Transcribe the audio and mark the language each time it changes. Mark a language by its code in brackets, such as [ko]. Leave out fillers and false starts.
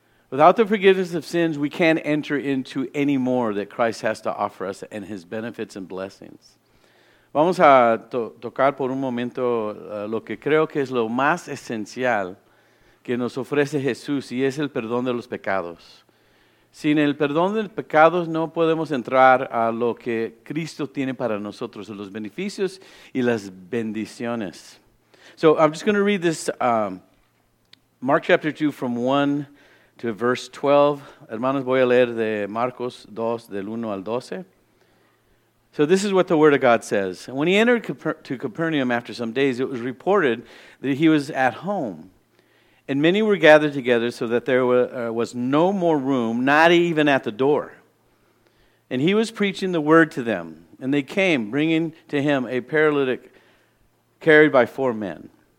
[en] Without the forgiveness of sins, we can't enter into any more that Christ has to offer us and his benefits and blessings. [es] Vamos a tocar por un momento lo que creo que es lo más esencial que nos ofrece Jesús, y es el perdón de los pecados. Sin el perdón de los pecados no podemos entrar a lo que Cristo tiene para nosotros, los beneficios y las bendiciones. [en] So I'm just going to read this, Mark chapter 2 from 1 to verse 12. [es] Hermanos, voy a leer de Marcos 2, del 1 al 12. [en] So this is what the Word of God says. When he entered to Capernaum after some days, it was reported that he was at home. And many were gathered together so that there was no more room, not even at the door. And he was preaching the word to them. And they came, bringing to him a paralytic carried by four men.